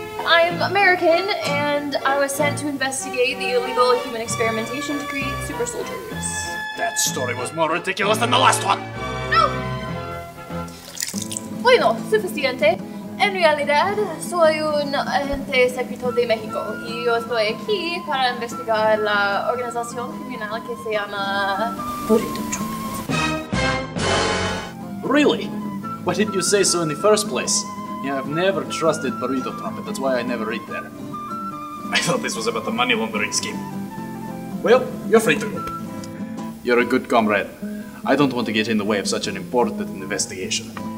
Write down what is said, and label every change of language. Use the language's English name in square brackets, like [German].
[English] I'm American, and I was sent to investigate the illegal human experimentation to create super soldiers. That story was more ridiculous than the last one! No! [Spanish] Bueno, suficiente. En realidad, soy un agente secreto de México, y yo estoy aquí para investigar la organización criminal que se llama... [English] Burrito Trumpet. Really? Why didn't you say so in the first place? Yeah, I've never trusted Burrito Trumpet, that's why I never eat there. I thought this was about the money laundering scheme. Well, you're free to go. You're a good comrade. I don't want to get in the way of such an important investigation.